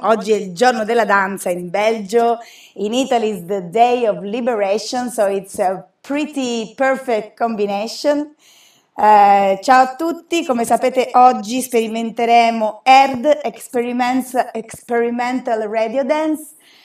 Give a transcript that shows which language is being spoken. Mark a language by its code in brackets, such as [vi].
[it] Oggi è il giorno della danza in Belgio. [en] In Italy is the day of liberation, so it's a pretty perfect combination. [it] Ciao a tutti, come sapete oggi sperimenteremo ERD, Experimental Radio Dance.